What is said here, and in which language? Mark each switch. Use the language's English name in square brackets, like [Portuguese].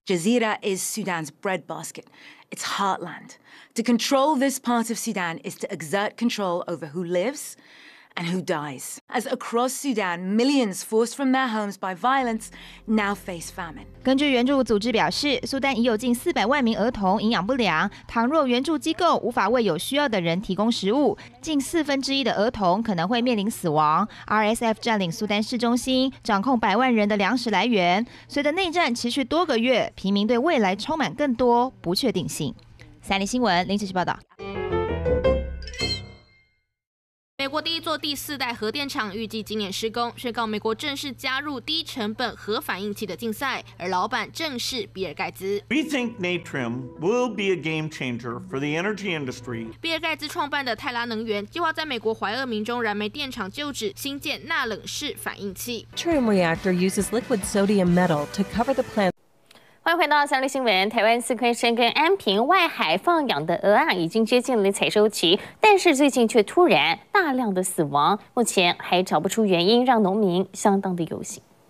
[English] Jazeera is Sudan's breadbasket, its heartland. To control this part of Sudan is to exert control over who lives. And who dies? As across Sudan, millions forced from their homes by violence now face famine. [Chinese] 根据援助组织表示，苏丹已有近400万名儿童营养不良。倘若援助机构无法为有需要的人提供食物，近四分之一的儿童可能会面临死亡。 RSF 占领苏丹市中心，掌控100万人的粮食来源。随着内战持续多个月，平民对未来充满更多不确定性。三立新闻林子旭报道。美国第一座第四代核电厂预计今年施工，宣告美国正式加入低成本核反应器的竞赛，而老板正是比尔盖茨。 [English] We think Natrium will be a game changer for the energy industry. [Chinese] 比尔盖茨创办的泰拉能源计划在美国怀俄明州燃煤电厂旧址新建钠冷式反应器。 [English] Natrium reactor uses liquid sodium metal to cover the plant. [Chinese] 欢迎回到三立新闻。台湾四颗深跟安平外海放养的鹅啊，已经接近了采收期，但是最近却突然大量的死亡，目前还找不出原因，让农民相当的忧心。